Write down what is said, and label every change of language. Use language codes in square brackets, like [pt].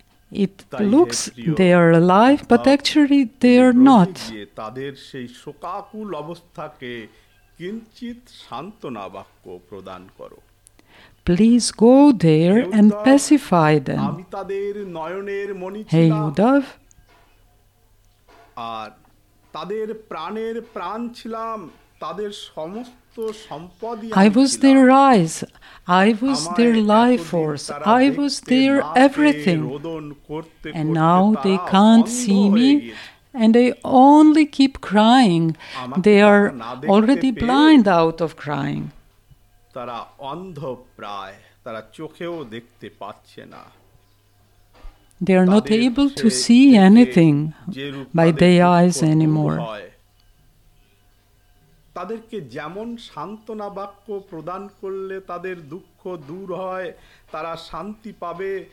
[en] It looks they are alive, but actually they are not. [bn] তাদের সেই শোকাকুল অবস্থাকে কিঞ্চিত সান্ত্বনা বাক্য প্রদান করো. [en] Please go there and pacify them. [bn] আমি তাদের নয়নের মণিচিতা. [en] Hey Udav. [bn] আর তাদের প্রাণের প্রাণ ছিলাম, তাদের সমস্ত. [en] I was their eyes, I was their life force, I was their everything, and now they can't see me, and they only keep crying. They are already blind out of crying. [bn] তারা অন্ধ প্রায়, তারা চোখেও দেখতে পাচ্ছে না. [en] They are not able to see anything by their eyes anymore. [bn] তাদেরকে যেমন সান্ত্বনা বাক্য প্রদান করলে তাদের দুঃখ দূর হয়, তারা শান্তি পাবে.